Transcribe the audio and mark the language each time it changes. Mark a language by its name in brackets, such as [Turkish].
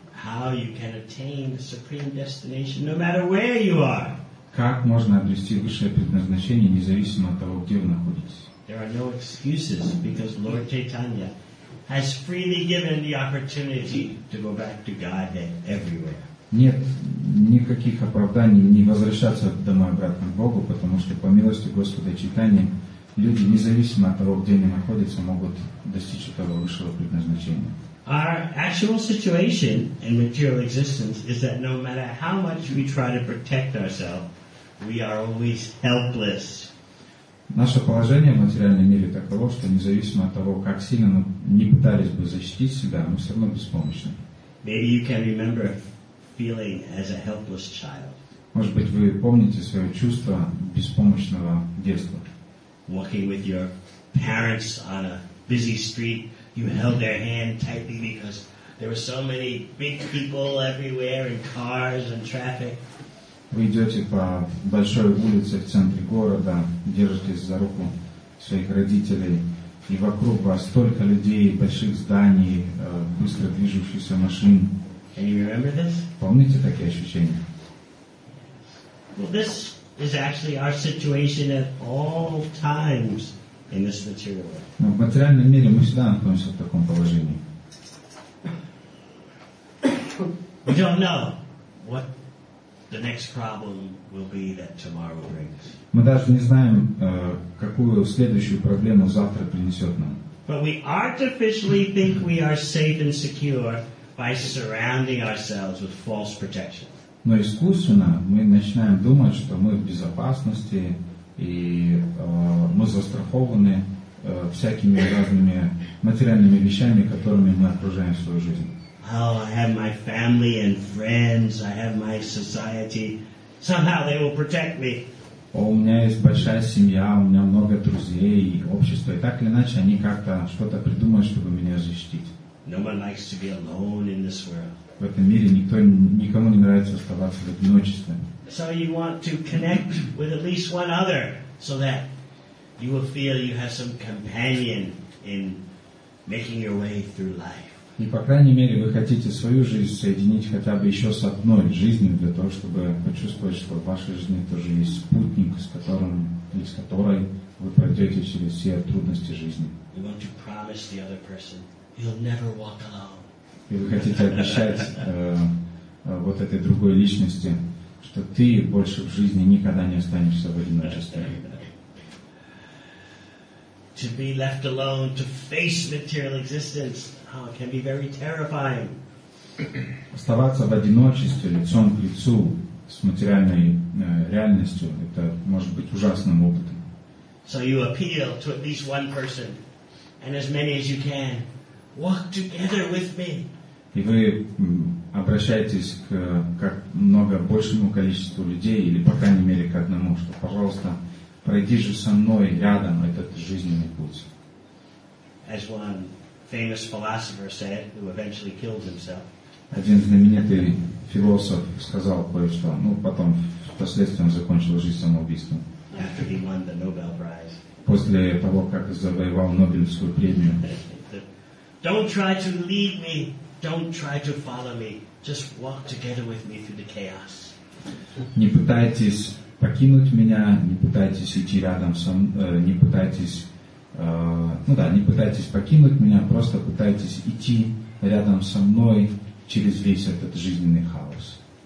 [English] How you can attain the supreme destination, no matter where you are. [Russian] Как можно обрести высшее предназначение, независимо от того, где вы находитесь? [English] There are no excuses, because Lord Chaitanya has freely given the opportunity to go back to Godhead everywhere. [Russian] Нет никаких оправданий не возвращаться домой обратно к Богу, потому что по милости Господа Чайтаньи люди, независимо от того, где они находятся, могут достичь этого высшего предназначения. [English] Our actual situation in material existence is that no matter how much we try to protect ourselves, we are always helpless. [Russian] Наше положение в материальном мире таково, что независимо от того, как сильно мы не пытались бы защитить себя, мы все равно беспомощны. [English] Maybe you can remember feeling as a helpless child. [Russian] Может быть, вы помните свое чувство беспомощного детства. [English] Walking with your parents on a busy street, you held their hand tightly because there were so many big people everywhere in cars and traffic. [Russian] Вы идете по большой улице в центре города, держитесь за руку своих родителей, и вокруг вас столько людей, больших зданий, быстро движущихся машин. [English] Can you remember this? [Russian] Помните такие ощущения? [English] Well, this is actually our situation at all times. In this material world. [Russian] В материальном мире мы всегда находимся в таком положении. [English] We don't know what the next problem will be that tomorrow brings. [Russian] Мы даже не знаем, какую следующую проблему завтра принесет нам. [English] But we artificially think we are safe and secure by surrounding ourselves with false protection. [Russian] Но искусственно мы начинаем думать, что мы в безопасности. И мы застрахованы всякими разными материальными вещами, которыми мы окружаем свою жизнь. [English] Oh, I have my family and friends, I have my society. Somehow they will protect me. [Russian] У меня есть большая семья, у меня много друзей и общество. И так или иначе, они как-то что-то придумают, чтобы меня защитить. [English] No one likes to be alone in this world. [Russian] В этом мире никому не нравится оставаться в одиночестве. [English] So you want to connect with at least one other so that you will feel you have some companion in making your way through life. [Russian] И по крайней мере вы хотите свою жизнь соединить хотя бы еще с одной жизнью для того, чтобы почувствовать, что в вашей жизни тоже есть спутник, с которым или с которой вы пройдете через все трудности жизни. [English] You want to promise the other person, you'll never walk alone. [Russian] И вы хотите обещать вот этой другой личности, что ты больше в жизни никогда не останешься в одиночестве. [English] To be left alone, to face material existence, oh, it can be very terrifying. [Russian] Оставаться в одиночестве, лицом к лицу с материальной реальностью, это может быть ужасным опытом. [English] So you appeal to at least one person, and as many as you can, walk together with me. [Russian] И вы обращаетесь к как много большему количеству людей, или по крайней мере к одному, что, пожалуйста, пройди же со мной рядом этот жизненный путь. [English] As one famous philosopher said, who eventually killed himself. [Russian] Один знаменитый философ сказал кое-что, ну потом впоследствии он закончил жизнь самоубийством. [English] After he won the Nobel Prize. [Russian] После того, как завоевал Нобелевскую премию. [English] Don't try to lead me. Don't try to follow me. Just walk together with me through the chaos. [Russian] Не пытайтесь покинуть меня, не пытайтесь идти рядом со мной, не пытайтесь покинуть меня, просто пытайтесь идти рядом со мной через весь этот жизненный хаос.